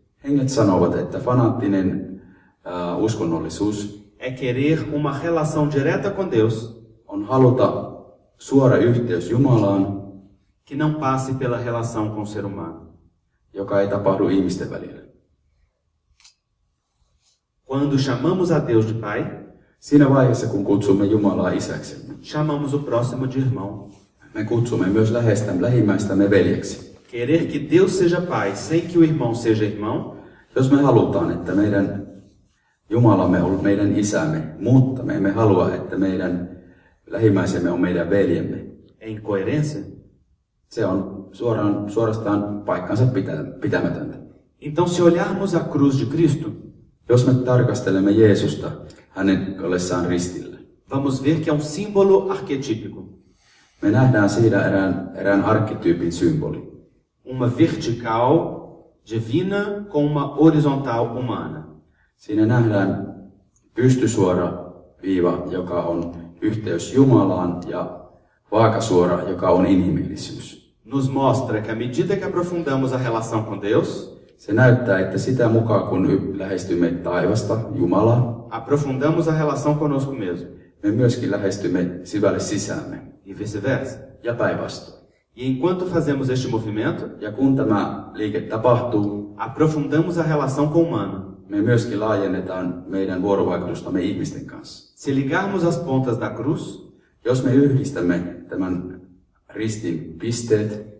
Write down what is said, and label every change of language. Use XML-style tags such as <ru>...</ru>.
<fi>hengät sanovat, että fanaattinen uskonnollisuus</fi> <pt>é querer uma relação direta com Deus,</pt> <fi>on haluta suora yhteys Jumalaan,</fi> <pt>que não passe pela relação com o ser humano,</pt> <fi>joka ei tapahdu ihmisten välillä.</fi> <pt>Quando chamamos a Deus de Pai,</pt> <fi>siinä vaiheessa, kun kutsumme Jumalaa isäksemme,</fi> <pt>chamamos o próximo de irmão.</pt> <fi>Me kutsumme myös lähimmäistämme veljeksi.</fi> <pt>Querer que Deus seja pai sem que o irmão seja irmão?</pt> <fi>Jos me halutaan, että meidän Jumalamme on meidän isämme, mutta me emme halua, että meidän lähimmäisemme on meidän veljemme.</fi> <pt>En coerência?</pt> <fi>Se on suorastaan paikkansa pitämätöntä.</fi> <pt>Então se olharmos a cruz de Cristo,</pt> <fi>jos me tarkastelemme Jeesusta hänen ollessaan ristillä,</fi> <pt>vamos ver que é um símbolo arquetípico.</pt> <fi>Me nähdään siinä erään arkkityypin symboli.</fi> <pt>Uma vertical divina com uma horizontal humana.</pt> <fi>Siinä nähdään pystysuora viiva, joka on yhteys Jumalaan, ja vaakasuora, joka on inhimillisyys.</fi> <pt>Nos mostra que à medida que aprofundamos a relação com Deus,</pt> <fi>se näyttää, että sitä mukaan kun lähestymme taivasta Jumalaa,</fi> <pt>aprofundamos a relação conosco mesmo.</pt> <fi>Me myöskin lähestymme syvälle sisäämme.</fi> <pt>E vice-versa.</pt> <fi>Ja päinvastoin.</fi> <pt>E enquanto fazemos este movimento,</pt> <fi>ja kun tämä liike tapahtuu,</fi> <pt>aprofundamos a relação com o humano.</pt> <fi>Me myöskin laajennetaan meidän vuorovaikutustamme ihmisten kanssa.</fi> <pt>Se ligarmos as pontas da cruz,</pt> <fi>jos me yhdistämme tämän ristin pisteet,</fi>